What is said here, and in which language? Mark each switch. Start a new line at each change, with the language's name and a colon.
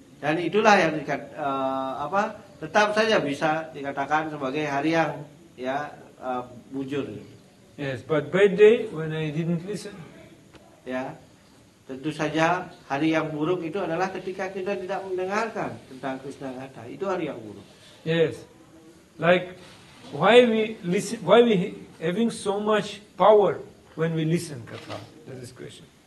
Indonesian: Dan itulah yang tetap saja bisa dikatakan sebagai hari yang ya bujur.
English: Yes, but bad day when I didn't listen.
Indonesian: Ya. Tentu saja hari yang buruk itu adalah ketika kita tidak mendengarkan tentang Krishna Radha. Itu hari yang buruk.
English: Yes. Like why we listen, why we having so much power when we listen katha. That is question.